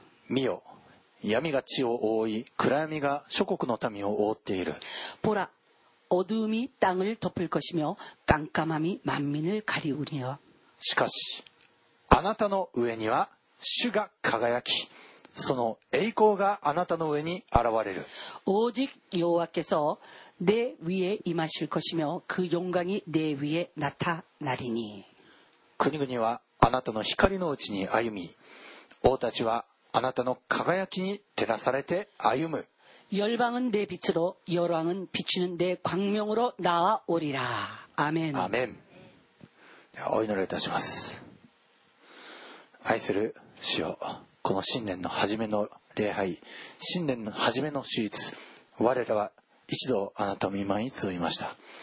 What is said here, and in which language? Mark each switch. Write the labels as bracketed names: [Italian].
[Japanese] 見よ、闇が地を覆い、暗闇が諸国の民を覆っている。 [Korean] 보라、어두움이땅을덮을것이며깜깜함이만민을가리우니요 [Japanese] しかしあなたの上には主が輝き、その栄光があなたの上に現れる。 [Korean] 오직여호와께서내위에임하실것이며그영광이내위에나타나리니 [Japanese] 国々はあなたの光のうちに歩み、王たちはあなたの輝きに照らされて歩む。 [Korean] 열방은내빛으로여러왕은비치는내광명으로나와오리라아멘 [Japanese] 아멘お祈りいたします。愛する主よ、この新年の初めの礼拝、新年の初めの主日、我らは一度あなたの御前に集いました。